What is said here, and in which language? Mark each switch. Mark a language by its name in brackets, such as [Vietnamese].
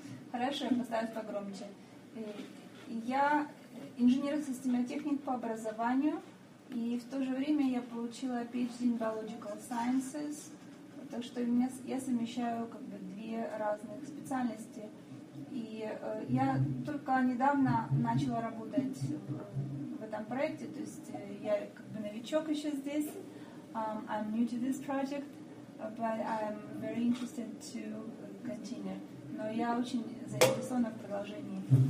[Russian] Хорошо, я постараюсь погромче. Я инженер-системотехник по образованию, и в то же время я получила [English] PhD in Biological Sciences. [Russian] Так что я совмещаю как бы две разных специальности. И я только недавно начала работать в этом проекте. То есть я как бы новичок еще здесь. [English] I'm new to this project, but I'm very interested to continue. [Russian] Но я очень заинтересована в продолжении.